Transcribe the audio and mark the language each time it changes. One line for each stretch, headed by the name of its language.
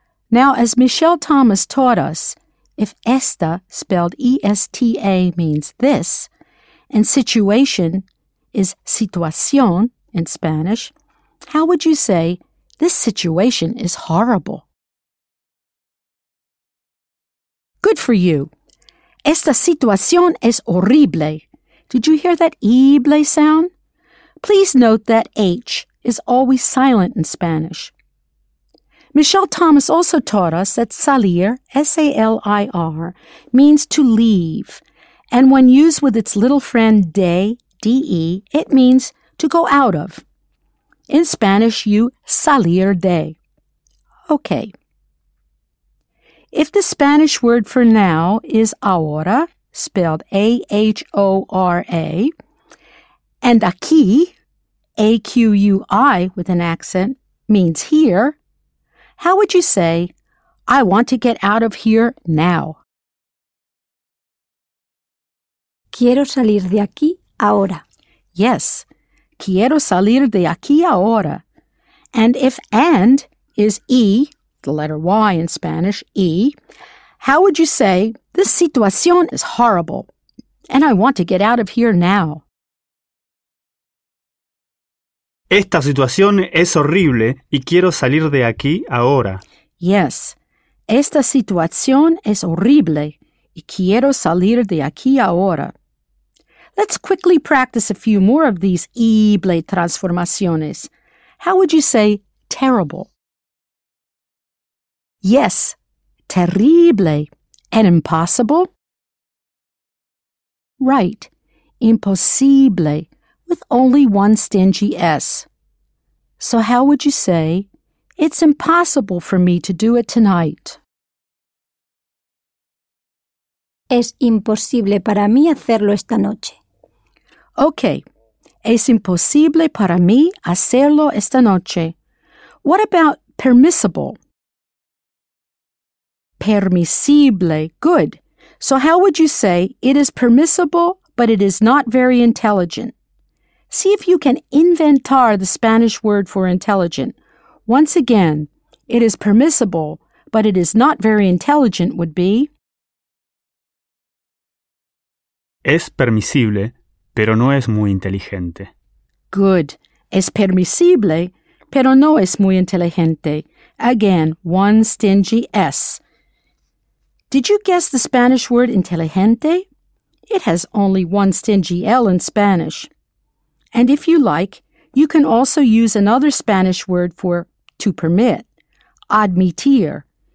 English: Now, as Michelle Thomas taught us, if esta, spelled E-S-T-A, means this, and situation is situación in Spanish, how would you say, this situation is horrible? Good for you.
Spanish: Esta situación es horrible.
English: Did you hear that ible sound? Please note that H is always silent in Spanish. Michelle Thomas also taught us that salir, S-A-L-I-R, means to leave. And when used with its little friend de, D-E, it means to go out of. In Spanish, you salir de. Okay. If the Spanish word for now is ahora, spelled A-H-O-R-A, and aquí, A-Q-U-I, with an accent, means here, how would you say, I want to get out of here now?
Spanish: Quiero salir de aquí ahora. Yes, quiero salir de aquí ahora.
English: And if and is E, the letter Y in Spanish, E, how would you say, this situación is horrible, and I want to get out of here now?
Spanish: Esta situación es horrible y quiero salir de aquí ahora. Yes, esta situación es horrible y quiero salir de aquí ahora.
English: Let's quickly practice a few more of these ible transformaciones. How would you say terrible? Yes, terrible. And impossible? Right, imposible, with only one stingy S. So how would you say, it's impossible for me to do it tonight?
Spanish: Es imposible para mí hacerlo esta noche.
English: Okay.
Spanish: Es imposible para mí hacerlo esta noche.
English: What about permissible? Permisible. Good. So how would you say, it is permissible, but it is not very intelligent? See if you can inventar the Spanish word for intelligent. Once again, it is permissible, but it is not very intelligent would be...
Spanish: Es permisible, pero no es muy inteligente.
English: Good.
Spanish: Es permisible, pero no es muy inteligente.
English: Again, one stingy S. Did you guess the Spanish word inteligente? It has only one stingy L in Spanish. And if you like, you can also use another Spanish word for to permit, admitir.